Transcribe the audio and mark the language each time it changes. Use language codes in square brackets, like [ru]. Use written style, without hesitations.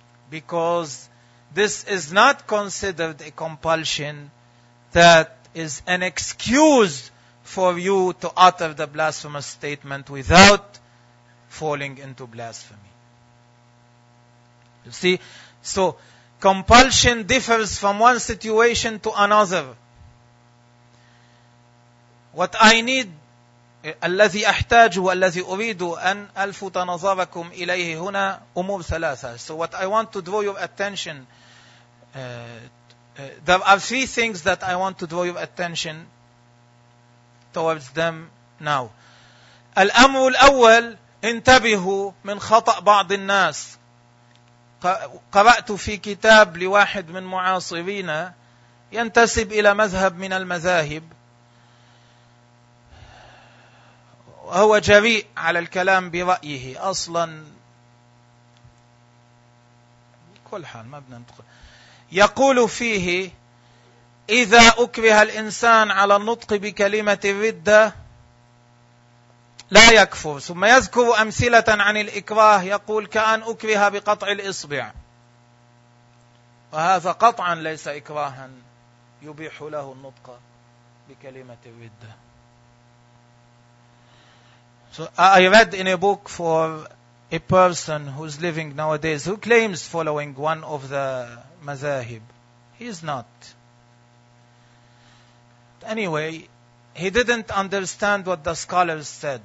[en] Because this is not considered a compulsion that is an excuse for you to utter the blasphemous statement without falling into blasphemy. See, so compulsion differs from one situation to another. What I need, [ar] الذي أحتاج والذي أريد أن ألفت نظركم إليه هنا أمور ثلاثة. [en] So what I want to draw your attention, there are three things that I want to draw your attention towards them now. [ar] الأمر الأول، انتبهوا من خطأ بعض الناس. قرأت في كتاب لواحد من معاصرين ينتسب إلى مذهب من المذاهب، وهو جريء على الكلام برأيه أصلا. كل حال ما بدنا ننتقل. يقول فيه: إذا أكره الإنسان على النطق بكلمة الردة لا يكفر. ثم يذكر أمثلة عن الإكراه، يقول: كأن أكره بقطع الإصبع، وهذا قطعا ليس إكراها يبيح له النطق بكلمة الردة. [en] So I read in a book for a person who's living nowadays who claims following one of the mazahib. He's not. Anyway, he didn't understand what the scholars said.